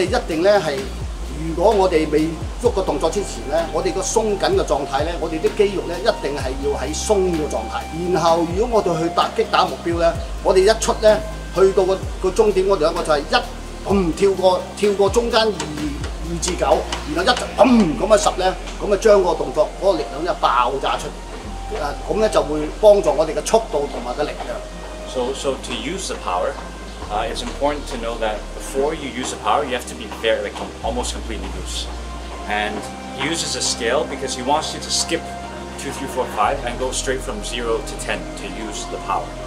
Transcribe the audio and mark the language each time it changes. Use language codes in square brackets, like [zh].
[en] If we have not moved the movement before, then our tension state, our muscles will be in tension state. Then, if we want to hit our target, then we will come out. [yue] 去到個終點，我哋一個就係一嘣跳過中間二至九，然後一嘣咁啊十咧，咁啊將個動作嗰、那個力量一爆炸出，咁咧就會幫助我哋嘅速度同埋嘅力量。 [en] So to use the power, it's important to know that before you use the power, you have to be almost completely loose. And he uses a scale because he wants you to skip 2, 3, 4, 5 and go straight from 0 to 10 to use the power.